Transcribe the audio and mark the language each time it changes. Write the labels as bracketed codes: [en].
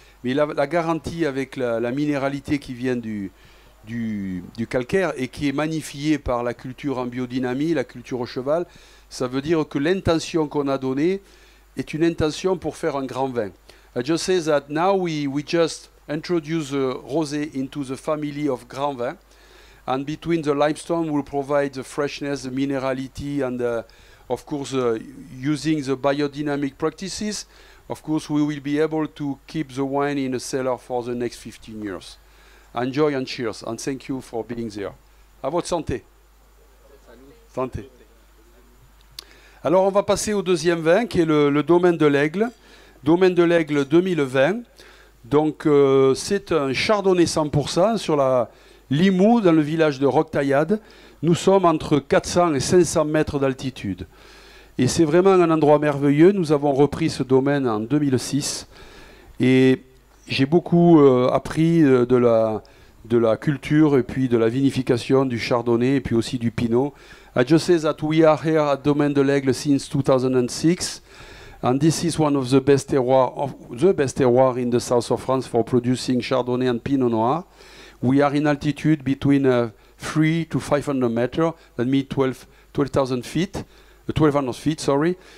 [fr] Mais la garantie avec la minéralité qui vient du calcaire et qui est magnifiée par la culture en biodynamie, la culture au cheval, ça veut dire que l'intention qu'on a donnée est une intention pour faire un grand vin. [en] I just say that now we just introduce rosé into the family of grand vin, and between the limestone will provide the freshness, the minerality, and of course using the biodynamic practices, of course we will be able to keep the wine in the cellar for the next 15 years. Enjoy and cheers, and thank you for being there. [fr] À votre santé. Santé. Alors on va passer au deuxième vin qui est le Domaine de l'Aigle. Domaine de l'Aigle 2020. Donc c'est un chardonnay 100% sur la Limoux dans le village de Roquetaillade. Nous sommes entre 400 et 500 mètres d'altitude. Et c'est vraiment un endroit merveilleux. Nous avons repris ce domaine en 2006. Et j'ai beaucoup appris de la culture et puis de la vinification du chardonnay et puis aussi du pinot. [en] I just say that we are here at Domaine de l'Aigle since 2006. And this is one of the best terroir in the south of France for producing Chardonnay and Pinot Noir. We are in altitude between 3 to 500 meters, that means 1,200 feet, sorry.